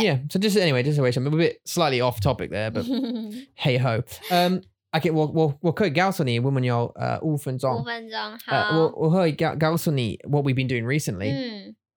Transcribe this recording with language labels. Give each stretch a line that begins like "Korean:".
English: So just anyway, just a way, we're a bit slightly off topic there, but hey ho.
Chinese: Okay, 我可以告诉你我们有五分钟。五分钟好。我可以告诉你
English: what we've been doing recently.